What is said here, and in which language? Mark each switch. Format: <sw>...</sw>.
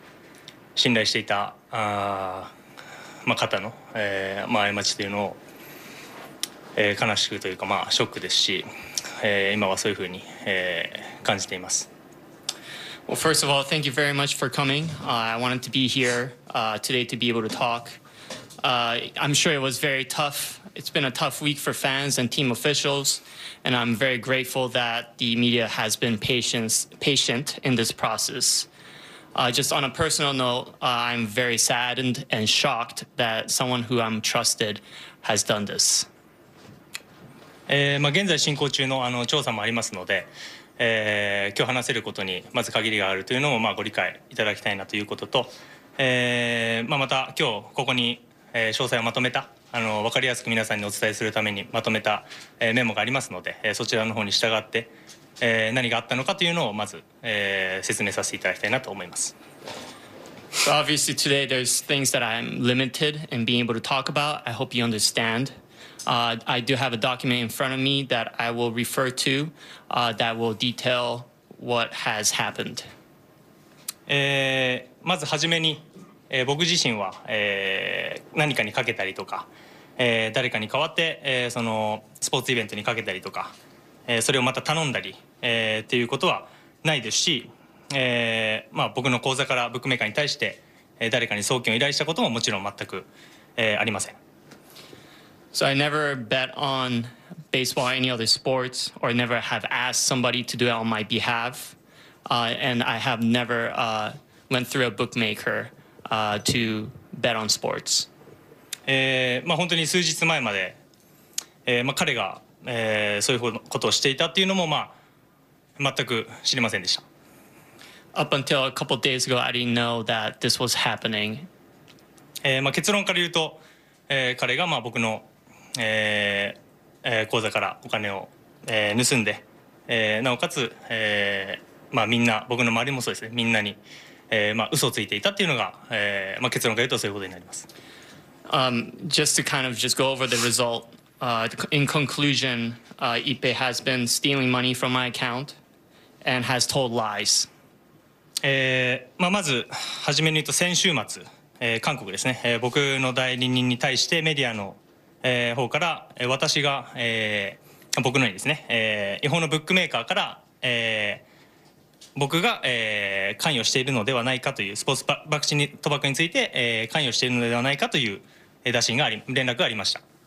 <ja>まず皆さん、来ていただいてありがとうございます。僕も話したかったので、嬉しく思ってますし、まあチームの関係者の皆さん、僕自身もそうですけど、ファンの皆さんもここ1週間くらいですかね、厳しい1週間だと思うんですけども、まあメディアの皆さんも含めて、まあ我慢とご理解をしていただいたのはすごくありがたいなと思っています。まあまず、僕自身も、信頼していた、肩の過ちというかショックですし、今はそういうふうに感じています。</ja> <en>Well, first of all, thank you very much for coming. I wanted to be here today to be able to talk. I'm sure it was very tough. It's been a tough week for fans and team officials, and I'm very grateful that the media has been patient in this process. Just on a personal note, I'm very saddened and shocked that someone who I'm trusted has done this.</en> <ja>まあ現在進行中の調査もありますので、今日話せることにまず限りがあるというのもまあご理解いただきたいなということと、また今日ここに詳細をまとめた、分かりやすく皆さんにお伝えするためにまとめたメモがありますので、そちらの方に従って何があったのかというのをまず、説明させていただきたいなと思います。</ja> <en>So obviously today there's things that I'm limited in being able to talk about. I hope you understand. I do have a document in front of me that I will refer to that will detail what has happened.</en> <ja>まずはじめに、僕自身は、何かにかけたりとか、誰かに代わって、そのスポーツイベントにかけたりとか、それをまた頼んだり、っていうことはないですし、まあ、僕の口座からブックメーカーに対して、誰かに送金を依頼したことももちろん全く、ありません。</ja> <en>So I never bet on baseball or any other sports, or never have asked somebody to do it on my behalf. And I have never went through a bookmaker to bet on sports.</en> <ja>まあ、本当に数日前まで、まあ、彼が、そういうことをしていたっていうのも、まあ、全く知りませんでした。</ja> <en>Up until a couple of days ago, I didn't know that this was happening.</en> <ja>まあ、結論から言うと、彼がまあ僕の口座からお金を、盗んで、なおかつ、まあ、みんな僕の周りもそうですね、みんなに、まあ、嘘をついていたっていうのが、まあ、結論から言うとそういうことになります。</ja> <en>Just to kind of just go over the result, in conclusion, Ipe has been stealing money from my account and has told lies.</en> <ja>まあ、まず初めに言うと先週末、韓国ですね、僕の代理人に対してメディアの方から私が、僕のにですね、違法のブックメーカーから、僕が、関与しているのではないかというスポーツ博打に賭博について、関与しているのではないかという打診があり連絡がありました。</ja>